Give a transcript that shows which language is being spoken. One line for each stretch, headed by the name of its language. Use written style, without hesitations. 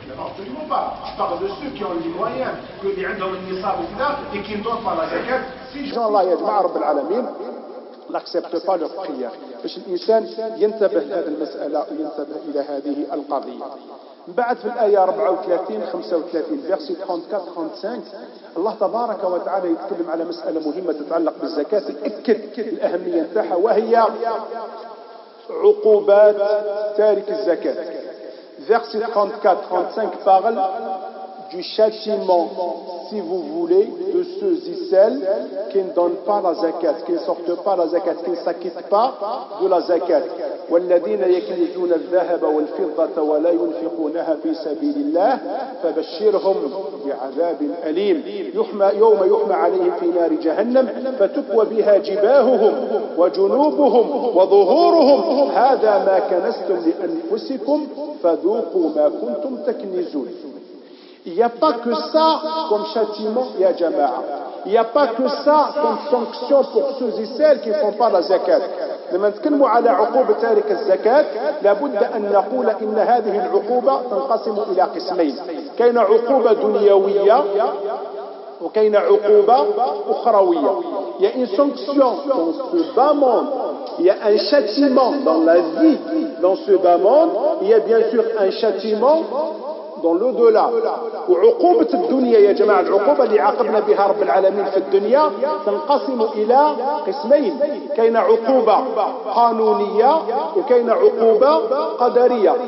French: Absolument pas. Je parle de ceux qui ont les moyens, que les gens ont les moyens, et qui ne donnent pas la zakat. Si je dis Allah, Yadma'a, Rabbil Alamin, n'accepte pas leur prière.
Arabic: باش الانسان ينتبه لهذه المساله وينتبه الى هذه القضيه. بعد في الايه 34 35 فيرسي 34 35 الله تبارك وتعالى يتكلم على مساله مهمه تتعلق بالزكاه، تاكد الاهميه نتاعها، وهي عقوبات تارك الزكاه.
French: فيرسي 34 35 بارل du châtiment, si vous voulez, de ceux et celles qui ne donnent pas la zakat, qui ne sortent pas la zakat, qui ne s'acquittent pas de la zakat.
Arabic: والذين يكنزون الذهب والفضة ولا ينفقونها في سبيل الله فبشرهم بعذاب أليم يوم يحمى عليهم في نار جهنم فتكوى بها جباههم وجنوبهم وظهورهم هذا ما كنستم لأنفسكم فذوقوا ما كنتم تكنزون.
French: Il n'y a pas que ça comme châtiment, il y a jama'a. Il n'y a pas que ça comme sanction pour ceux et celles qui ne font pas la zakat.
Arabic: لما نتكلموا على عقوبة تارك الزكاة لابد أن نقول إن هذه العقوبة تنقسم إلى قسمين، كاين عقوبة دنيوية وكاين عقوبة أخروية.
French: Il y a une sanction dans ce bas monde, il y a un châtiment dans la vie dans ce bas monde, il y a bien sûr un châtiment dans l'au-delà.
Arabic: وعقوبه الدنيا يا جماعه العقوبه اللي عاقبنا بها رب العالمين في الدنيا تنقسم الى قسمين، كاين عقوبه قانونيه وكاين عقوبه قدريه.